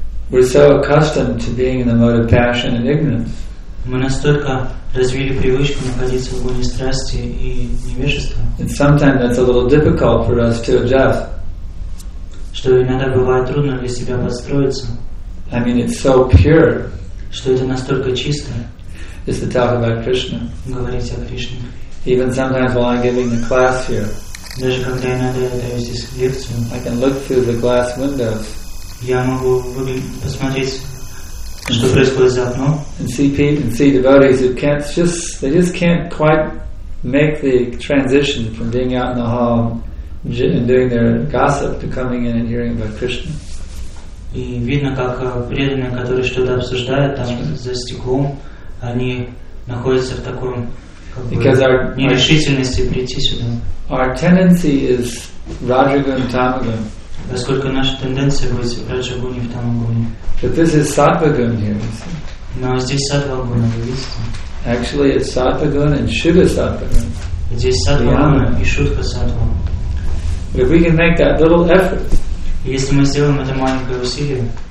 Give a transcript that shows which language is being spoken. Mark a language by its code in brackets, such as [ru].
[en] We're so accustomed to being in the mode of passion and ignorance. [ru] Мы настолько развили привычку находиться в гоне страсти и невежества. [en] And sometimes that's a little difficult for us to adjust. [ru] Что иногда бывает трудно для себя подстроиться. [en] I mean, it's so pure. [ru] Что это настолько чисто. [en] Is to talk about Krishna. [ru] Говорить о Кришне. [en] Even sometimes while I'm giving the class here. [ru] Даже когда я даю здесь лекцию. [en] I can look through the glass windows. [ru] Я могу посмотреть. Что происходит за окном? [en] And see devotees who can't quite make the transition from being out in the hall and doing their gossip to coming in and hearing about Krishna. [ru] И видно, как преданные, которые что-то обсуждают там за стеклом, они находятся в таком нерешительности прийти сюда. [en] Our tendency is Rajagun Tamagun. [ru] Насколько наша тенденция быть Раджагуни в Тамагуни. [en] But this is Сатвагуна here, you see. [ru] Но здесь Сатвагуна, вы видите. [en] Actually, it's Сатвагуна and Шудха Сатвагуна. [ru] Здесь Сатвагуна и Шудха Сатвагуна. [en] But if we can make that little effort, [ru] если мы сделаем это маленькое усилие,